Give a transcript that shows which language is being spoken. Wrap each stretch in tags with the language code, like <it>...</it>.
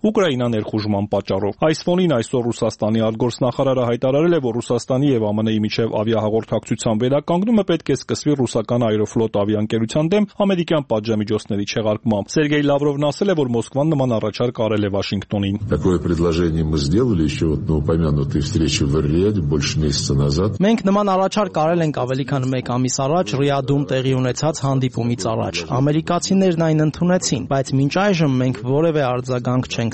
<hy>Ուկրաինա ներխուժման պատճառով։ Այս ֆոնին այսօր Ռուսաստանի արտգործնախարարը հայտարարել է, որ Ռուսաստանի և ԱՄՆ-ի միջև ավիահաղորդակցության վերականգնումը պետք է սկսվի ռուսական Aeroflot ավիաընկերության դեմ ամերիկյան պատժամիջոցների չեղարկմամբ։ Սերգեյ Լավրովն ասել է, որ Մոսկվան նման առաջարկ արել է Վաշինգտոնին։</hy> <ru>Такое предложение мы сделали ещё вот на упомянутой встрече в Орле, больше месяца назад.</ru> <hy>Մենք Մենք նման առաջարկ արել ենք ավելի քան 1 ամիս առաջ Ռիադում տեղի ունեցած հանդիպումից առաջ։ Ամերիկացիներն այն ընդունեցին, բայց մինչ այժմ մենք որևէ արձագանք չենք</hy>